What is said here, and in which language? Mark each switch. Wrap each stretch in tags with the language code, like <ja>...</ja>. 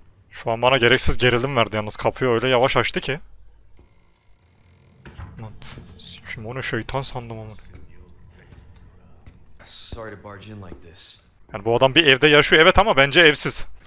<tr>Şu an bana gereksiz gerilim verdi yalnız, kapıyı öyle yavaş açtı ki. lan. Sikim onu, şeytan sandım onu.</tr> <en>Sorry to barge in like this.</en> <tr>Yani bu adam bir evde yaşıyor evet ama bence evsiz.</tr>